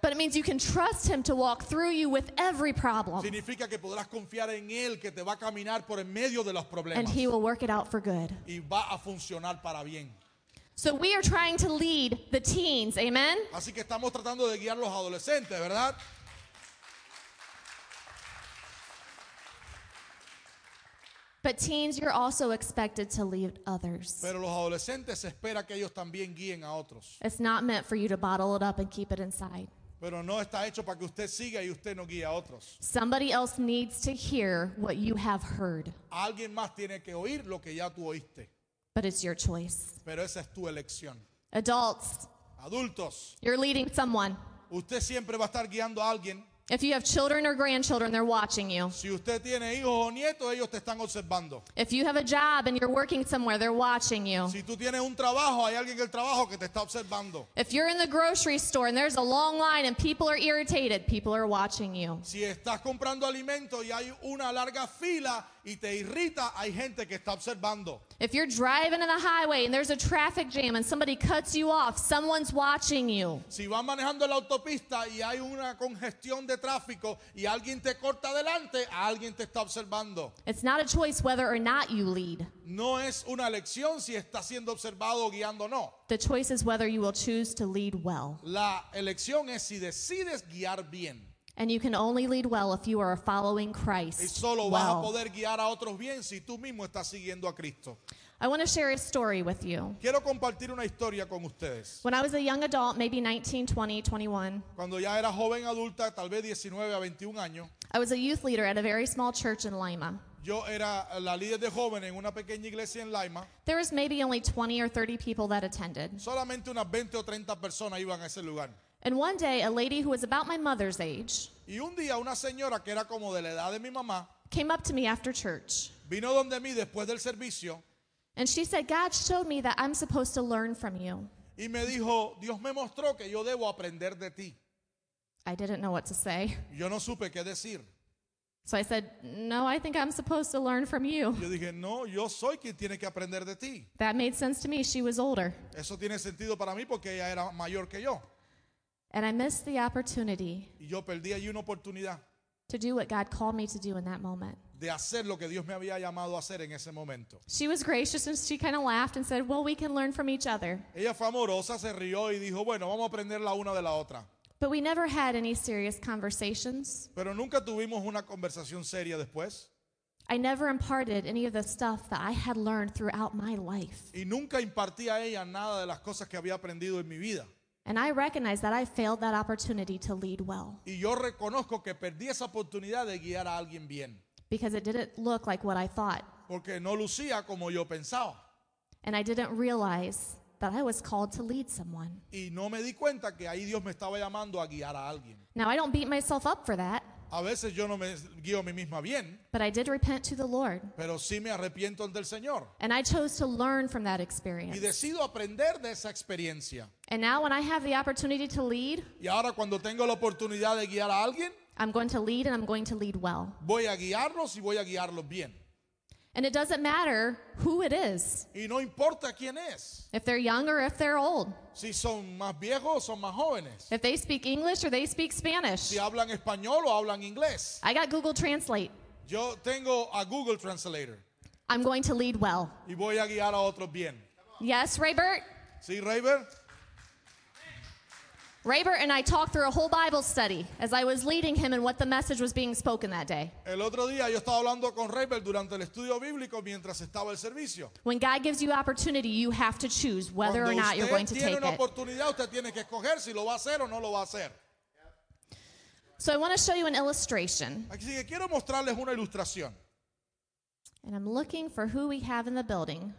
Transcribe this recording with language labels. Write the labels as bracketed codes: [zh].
[en] But it means you can trust him to walk through you with every problem. [es] Significa que podrás confiar en él que te va a caminar por en medio de los problemas. [en] And he will work it out for good. [es] Y va a funcionar para bien. [en] So we are trying to lead the teens, amen? [es] Así que estamos tratando de guiar los adolescentes, ¿verdad? [en] But teens, you're also expected to lead others. [es] Pero los adolescentes espera que ellos también guíen a otros. [en] It's not meant for you to bottle it up and keep it inside. [es] Pero no está hecho para que usted siga y usted no guíe a otros. [en] Somebody else needs to hear what you have heard. [es] Alguien más tiene que oír lo que ya tú oíste. [en] But it's your choice. [es] Pero esa es tu elección. [en] Adults. [es] Adultos. [en] You're leading someone. [es] Usted siempre va a estar guiando a alguien. [en] If you have children or grandchildren, they're watching you. [es] Si usted tiene hijos o nietos, ellos te están observando. [en] If you have a job and you're working somewhere, they're watching you. [es] Si tú tienes un trabajo, hay alguien en el trabajo que te está observando. [en] If you're in the grocery store and there's a long line and people are irritated, people are watching you. [es] Si estás comprando alimentos y hay una larga fila y te irrita, hay gente que está observando. [en] If you're driving in the highway and there's a traffic jam and somebody cuts you off, someone's watching you. [es] Si vas manejando la autopista y hay una congestión de tráfico y alguien te corta adelante, alguien te está observando. [en] It's not a choice whether or not you lead. [es] No es una elección si estás siendo observado o guiando o no. [en] The choice is whether you will choose to lead well. [es] La elección es si decides guiar bien. [en] And you can only lead well if you are following Christ. [es] Y solo [en] well. [es] Vas a poder guiar a otros bien si tú mismo estás siguiendo a Cristo. [en] I want to share a story with you. [es] Quiero compartir una historia con ustedes. [en] When I was a young adult, maybe 19, 20, 21. [es] Cuando ya era joven adulta, tal vez 19 a 21 años. [en] I was a youth leader at a very small church in Lima. [es] Yo era la líder de jóvenes en una pequeña iglesia en Lima. [en] There was maybe only 20 or 30 people that attended. [es] Solamente unas 20 o 30 personas iban a ese lugar. [en] And one day, a lady who was about my mother's age [es] y un día, una señora que era como de la edad de mi mamá, [en] came up to me after church. [es] Vino donde mí después del servicio. [en] And she said, God showed me that I'm supposed to learn from you. [es] Y me dijo, Dios me mostró que yo debo aprender de ti. [en] I didn't know what to say. [es] Yo no supe qué decir. [en] So I said, no, I think I'm supposed to learn from you. [es] Yo dije, no, yo soy quien tiene que aprender de ti. [en] That made sense to me. She was older. [es] Eso tiene sentido para mí porque ella era mayor que yo. [en] And I missed the opportunity. [es] Y yo perdí ahí una oportunidad. [en] To do what God called me to do in that moment. [es] De hacer lo que Dios me había llamado a hacer en ese momento. [en] She was gracious and she kind of laughed and said, "Well, we can learn from each other." [es] Ella fue amorosa, se rió y dijo, "Bueno, vamos a aprender la una de la otra." [en] But we never had any serious conversations. [es] Pero nunca tuvimos una conversación seria después. [en] I never imparted any of the stuff that I had learned throughout my life. [es] Y nunca impartí a ella nada de las cosas que había aprendido en mi vida. [en] And I recognize that I failed that opportunity to lead well. [es] Y yo reconozco que perdí esa oportunidad de guiar a alguien bien. [en] Because it didn't look like what I thought. [es] Porque no lucía como yo pensaba. [en] And I didn't realize that I was called to lead someone. [es] Y no me di cuenta que ahí Dios me estaba llamando a guiar a alguien. [en] Now I don't beat myself up for that. [es] A veces yo no me guío a mí misma bien. [en] But I did repent to the Lord. [es] Pero sí me arrepiento ante el Señor. [en] And I chose to learn from that experience. [es] Y decido aprender de esa experiencia. [en] And now when I have the opportunity to lead, [es] y ahora cuando tengo la oportunidad de guiar a alguien, [en] I'm going to lead and I'm going to lead well. [es] Voy a guiarlos y voy a guiarlos bien. [en] And it doesn't matter who it is. [es] Y no importa quién es. [en] If they're young or if they're old. [es] Si son más viejos o son más jóvenes. [en] If they speak English or they speak Spanish. [es] Si hablan español o hablan inglés. [en] I got Google Translate. [es] Yo tengo a Google Translator. [en] I'm going to lead well. [es] Y voy a guiar a otros bien. [en] Yes, Raybert? [es] Sí, Raybert. [en] Raybert and I talked through a whole Bible study as I was leading him and what the message was being spoken that day. [es] El otro día yo estaba hablando con Raybert durante el estudio bíblico mientras estaba el servicio. [en] When God gives you opportunity, you have to choose whether [es] Cuando [en] or not you're going to take it. [es] Tiene una oportunidad, usted tiene que escoger si lo va a hacer o no lo va a hacer. [en] So I want to show you an illustration. [es] Así que quiero mostrarles una ilustración. [en] And I'm looking for who we have in the building.